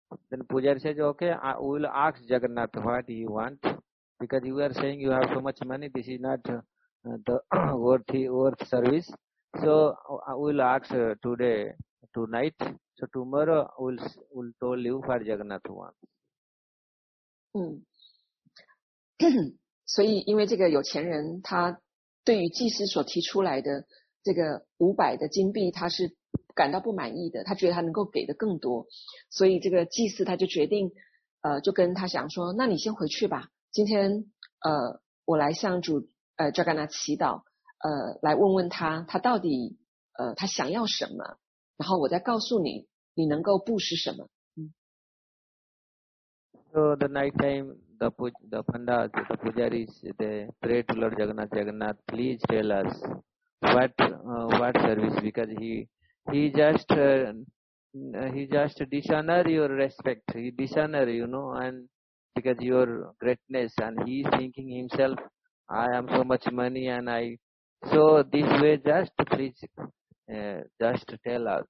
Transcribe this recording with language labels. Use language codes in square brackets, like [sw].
[en] Then Pujari says, "Okay, I will ask Jagannath what he want, because you are saying you have so much money. This is not worth service. So I will ask today, tonight. So tomorrow will tell you what Jagannath wants." [zh] 所以因为这个有钱人，他对于祭司所提出来的这个500的金币，他是感到不满意的，他觉得他能够给的更多，所以这个祭司他就决定，就跟他讲说，那你先回去吧，今天我来向主Jagannath 祈祷，来问问他，他到底他想要什么，然后我再告诉你，你能够布施什么。 [en] So the night time, the pandas, the pujaris, they pray to Lord Jagannath, "Jagannath, please tell us what service, because he just dishonor your respect, he dishonor, you know, and because your greatness, and he is thinking himself, I am so much money, and I, so this way, just please, just tell us."